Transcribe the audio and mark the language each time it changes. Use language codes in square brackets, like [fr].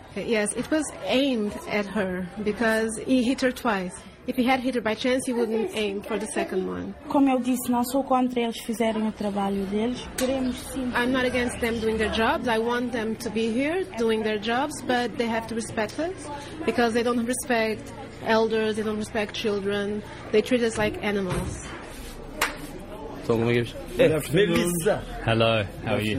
[en] Yes, it was aimed at her because he hit her twice. If he had hit her by chance, he wouldn't aim for the second one. [pt] Como eu disse, não sou contra eles fizerem o trabalho deles. Queremos sim. [en] I'm not against them doing their jobs. I want them to be here doing their jobs, but they have to respect us because they don't respect elders, they don't respect children. They treat us like animals. Good afternoon. Hello, how are you?